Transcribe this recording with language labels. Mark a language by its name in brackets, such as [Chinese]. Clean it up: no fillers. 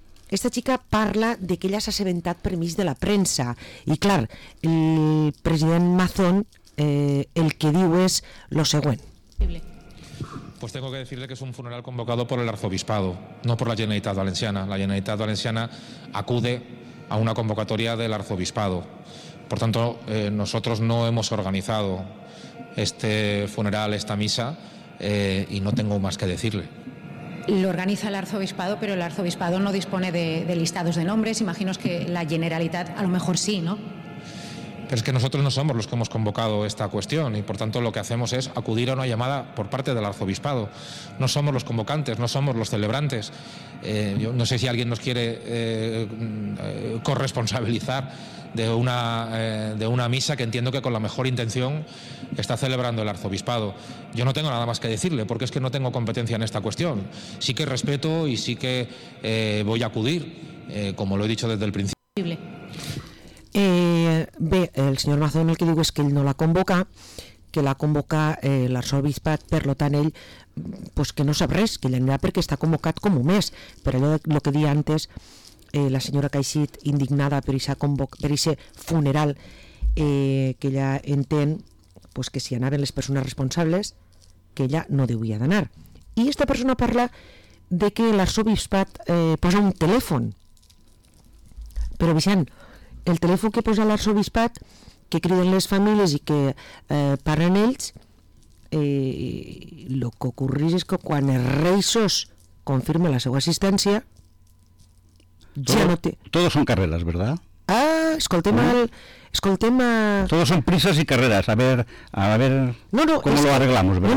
[Catalan] Esta chica parla de que ella s'ha assabentat per mig de la premsa. I clar, el president Mazón el que diu és lo següent. [Spanish] Pues tengo que decirle que es un funeral convocado por el arzobispado, no por la Generalitat Valenciana. La Generalitat Valenciana acude a una convocatoria del arzobispado. Por tanto, nosotros no hemos organizado este funeral, esta misa, y no tengo más que decirle. Lo organiza el arzobispado, pero el arzobispado no dispone de listados de nombres. Imagino que la Generalitat a lo mejor sí, ¿no? Pero es que nosotros no somos los que hemos convocado esta cuestión y, por tanto, lo que hacemos es acudir a una llamada por parte del arzobispado. No somos los convocantes, no somos los celebrantes. Yo no sé si alguien nos quiere corresponsabilizar de una misa que entiendo que con la mejor intención está celebrando el arzobispado. Yo no tengo nada más que decirle, porque es que no tengo competencia en esta cuestión. Sí que respeto y sí que voy a acudir, como lo he dicho desde el principio. [Catalan] Bé, el senyor Mazón el que diu és que ell no la convoca, que la convoca l'arzobispat, per lo tant ell pues que no sap res, que ell anirà perquè està convocat com un mes. Per allò el que deia antes la senyora Caixit, indignada per aquest funeral, que ella entén pues que si anaven les persones responsables, que ella no devia d'anar. I esta persona parla de que l'arzobispat posa un telèfon. Però Vicent, el telèfon que posa l'arzobispat, que criden les famílies i que parlen ells, lo que ocurrís es que quan el rei sos confirma la seva assistència, ja no té... [Spanish] Todos son carreras, ¿verdad? [Catalan] Ah, escoltem el... Escoltem a... [Spanish] Todos son prisas y carreras, a ver cómo lo arreglamos, ¿verdad?